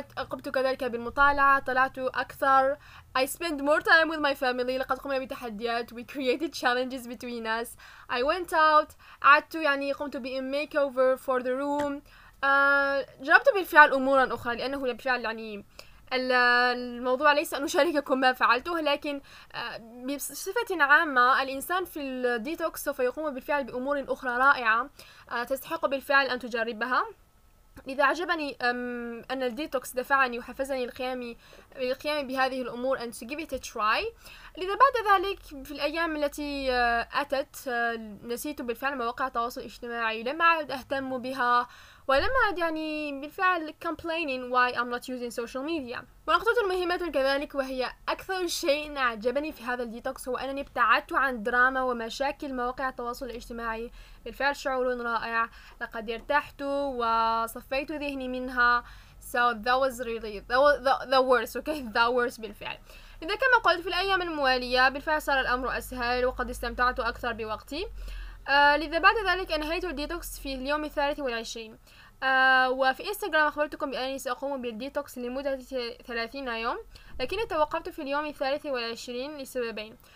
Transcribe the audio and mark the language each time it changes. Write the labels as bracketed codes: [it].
[ar] قمت كذلك بالمطالعة، طلعت أكثر. [en] I spend more time with my family. [ar] لقد قمنا بتحديات. [en] We created challenges between us. I went out. [ar] عدت يعني قمت ب [en] makeover for the room. [ar] جربت بالفعل أمورا أخرى لأنه بالفعل يعني الموضوع ليس أن أشارككم ما فعلته، لكن بصفة عامة الإنسان في الديتوكس سوف يقوم بالفعل بأمور أخرى رائعة تستحق بالفعل أن تجربها. لذا عجبني أن الديتوكس دفعني وحفزني للقيام بهذه الأمور [en] and to give it a try. [ar] لذا بعد ذلك في الأيام التي أتت نسيت بالفعل مواقع التواصل الاجتماعي، لم أعد أهتم بها ولم أعد يعني بالفعل [en] complaining why I'm not using social media. [ar] ونقطة مهمة كذلك وهي أكثر شيء أعجبني في هذا الديتوكس هو أنني ابتعدت عن دراما ومشاكل مواقع التواصل الاجتماعي. بالفعل شعور رائع، لقد ارتحت وصفيت ذهني منها. [en] So that was really the worst. Okay, the worst [ar] بالفعل. إذا كما قلت في الأيام الموالية بالفعل صار الأمر أسهل وقد استمتعت أكثر بوقتي. لذا بعد ذلك أنهيت الديتوكس في اليوم 23. وفي إنستغرام أخبرتكم بأنني سأقوم بالديتوكس لمدة 30 يوم، لكن توقفت في اليوم 23 لسببين.